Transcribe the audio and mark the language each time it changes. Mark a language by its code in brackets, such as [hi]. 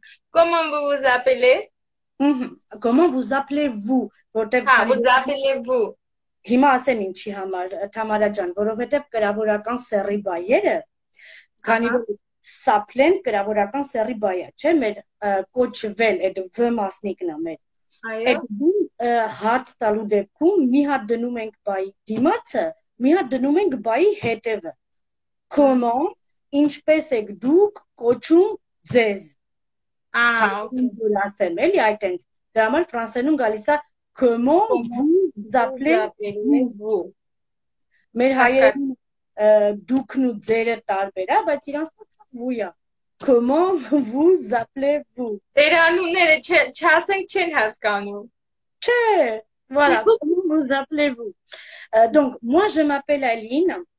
[fr] Comment vous vous appelez? Comment vous appelez-vous? [hy] Որտեղ [fr] Ah, vous appelez-vous. [hy] Հիմա ասեմ ինչի համար, Թամարա ջան, որովհետև գրավորական սեռի բայերը, քանի որ սապլեն գրավորական սեռի բայա, չէ՞, մեր կոչվել այդ վ մասնիկն է մեր։ Այո։ Հարց տալու դեպքում մի հատ դնում ենք բայի դիմացը, մի հատ դնում ենք բայի հետևը։ Comment, ինչպես եք դուք կոչում ձեզ։ Ահա, ասեմ էլի այ տենց։ Դրա համար ֆրանսերենում գալիս է [fr] comment vous appelez-vous։ [hy] Մեր հայերեն դուքն ու ձերը տարբեր է, բայց իրանց մոտ ու՞յա։ Comment vous appelez-vous։ Դեր անունները չասենք չեն հասկանում։ Չէ, [fr] voilà, comment vous appelez-vous։ Donc moi je m'appelle Aline.